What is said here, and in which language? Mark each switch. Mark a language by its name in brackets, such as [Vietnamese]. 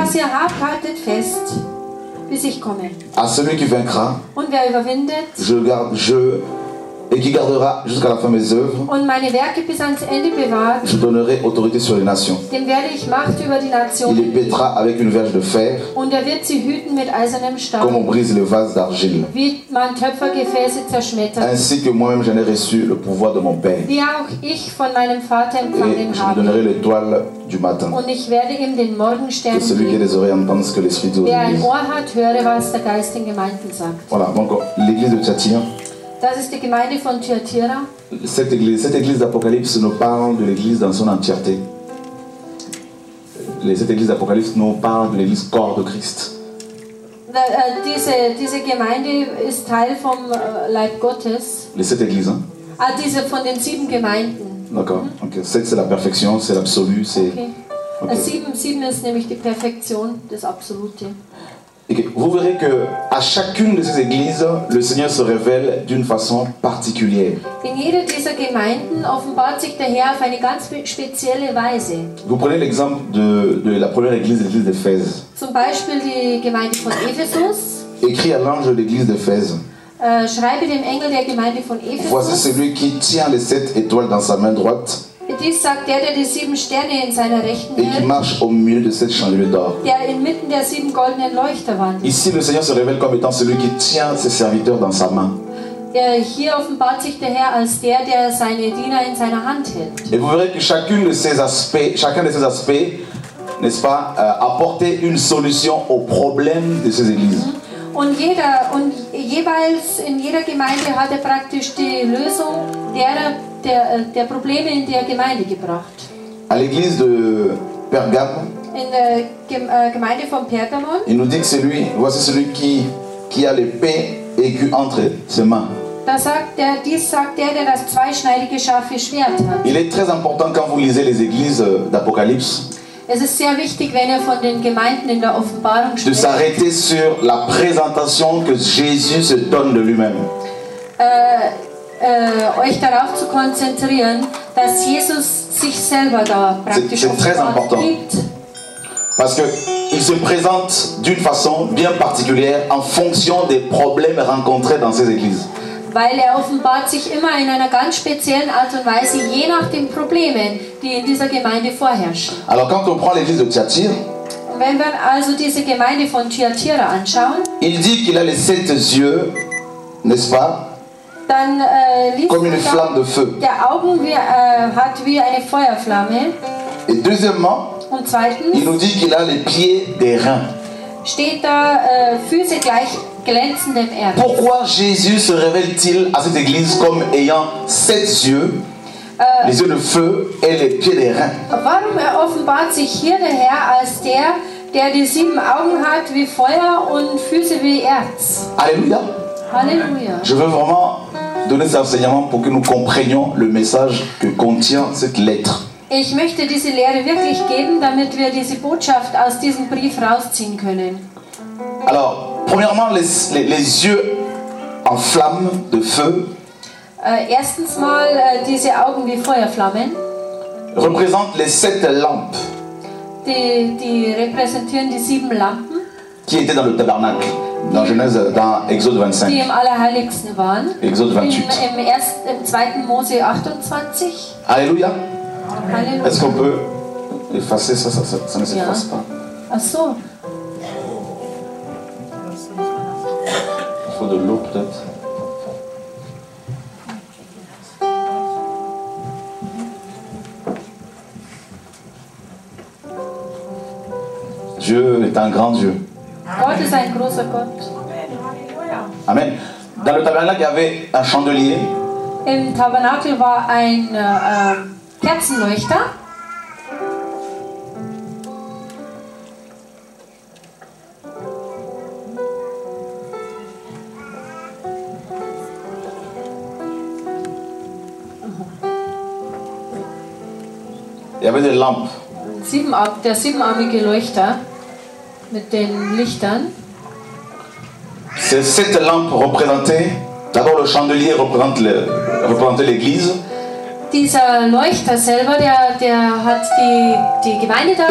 [German] Was ihr habt, haltet fest, bis ich komme. [French] À celui qui vaincra, [German] und wer überwindet, [French] je garde, je et qui gardera jusqu'à la fin mes œuvres, [German] und meine Werke bis ans Ende bewahrt, [French] je donnerai autorité sur les nations. [German] Dem werde ich Macht über die Nationen. [French] Il les pètera avec une verge de fer, [German] und wird sie hüten mit eisernem Stab, [French] comme on brise le vase d'argile, [German] wie man Töpfergefäße zerschmettert, [French] ainsi que moi-même j'en ai reçu le pouvoir de mon Père, [German] wie auch ich von meinem Vater empfangen [French] et je lui donnerai l'étoile du matin, [German] und ich werde ihm den Morgenstern [French] que celui qui a des oreilles entende ce que l'Esprit dit, [German] wer ein Ohr hat, höre, was der Geist in Gemeinden sagt. [French] Voilà, donc l'église de Thyatira. [German] Das ist die Gemeinde von Thyatira. [French] Cette église d'Apocalypse nous parle de l'église dans son entièreté. Cette église d'Apocalypse nous parle de l'église corps de Christ. [German] Diese Gemeinde ist Teil vom Leib Gottes. [French] Les sept églises. Hein? [German] Ah, diese von den sieben Gemeinden. [French] D'accord. Mm-hmm. Okay. Sept, c'est la perfection, c'est l'absolu, c'est. Okay. Okay. [German] Sieben ist nämlich die Perfektion, das Absolute. Okay. [French] Vous verrez que à chacune de ces églises, le Seigneur se révèle d'une façon particulière. [German] In jeder dieser Gemeinden offenbart sich der Herr auf eine ganz spezielle Weise. [French] Vous prenez l'exemple de la première église, l'église d'Éphèse. [German] Zum Beispiel die Gemeinde von Ephesus. [French] Écrit à l'ange de l'église d'Éphèse. [German] Schreibe dem Engel der Gemeinde von Ephesus. [French] Voici celui qui tient les sept étoiles dans sa main droite. [German] Dies sagt der die sieben Sterne in seiner rechten Hand. Der inmitten der sieben goldenen Leuchter wandelt. [French] Ici le Seigneur se révèle comme étant celui qui tient ses serviteurs dans sa main. [German] Hier offenbart sich der Herr als der seine Diener in seiner Hand hält. [French] Et vous verrez que chacun de ces aspects, n'est-ce pas, apportait une solution au problème de ces églises. [German] Und jeweils in jeder Gemeinde hat praktisch die Lösung der Probleme in der Gemeinde gebracht. [French] À l'église de Pergame, [German] in der Gemeinde von Pergamon, [French] il nous dit que c'est lui, voici celui qui a l'épée aiguë entre ses mains. [German] Dies sagt der das zweischneidige scharfe Schwert hat. [French] Il est très important quand vous lisez les églises d'Apocalypse. [German] Es ist sehr wichtig, wenn er von den Gemeinden in der Offenbarung spricht. [French] De s'arrêter sur la présentation que Jésus se donne de lui-même. [German] Euch darauf zu konzentrieren, dass Jesus sich selber da praktisch offenbart. [French] C'est très important. Parce que il se présente d'une façon bien particulière en fonction des problèmes rencontrés dans ces églises. [German] Weil er offenbart sich immer in einer ganz speziellen Art und Weise, je nach den Problemen, die in dieser Gemeinde vorherrschen. [French] Alors quand on prend l'église de Thyatira, [German] wenn wir also diese Gemeinde von Thyatira anschauen, [French] il dit qu'il a les sept yeux, n'est-ce pas? [German] dann [French] comme une flamme de feu. [German] Der Augen wie, hat wie eine Feuerflamme. [French] Et deuxièmement, [German] und zweitens, [French] il nous dit qu'il a les pieds des reins. [German] Steht da Füße gleich glänzendem Erz. [French] Pourquoi Jésus se révèle-t-il à cette église comme ayant sept yeux, les yeux de feu et les pieds des reins? [German] Warum offenbart sich hier der Herr als der, der die sieben Augen hat wie Feuer und Füße wie Erz? [French] Alléluia. [German] Alléluia. [French] Je veux vraiment donner cet enseignement pour que nous comprenions le message que contient cette lettre. [German] Ich möchte diese Lehre wirklich geben, damit wir diese Botschaft aus diesem Brief rausziehen können. [French] Alors, premièrement, les yeux en flamme de feu. [German] Erstens mal diese Augen wie Feuerflammen. [French] Représentent les sept lampes. [German] Die repräsentieren die sieben Lampen. [French] Qui étaient dans le tabernacle. Dans Genèse, dans Exode 25. [German] Die im Allerheiligsten waren. [French] Exode 28. [German] Im zweiten Mose 28. [French] Alléluia. [German] Alléluia. [French] Est-ce qu'on peut effacer ça? Ça ne s'efface pas. [German] Ah, so. [French] Il faut de l'eau peut-être. Dieu est un grand Dieu. [German] Gott ist ein großer Gott. Amen. [French] Dans le tabernacle, il y avait un chandelier. [German] Im Tabernakel war ein Kerzenleuchter. [French] Il y avait des lampes. [German] Der siebenarmige Leuchter. Mit den Lichtern. [French] Ces sept lampes représentaient, d'abord le chandelier représentait l'église. [German] Dieser Leuchter selber, der hat die Gemeinde da.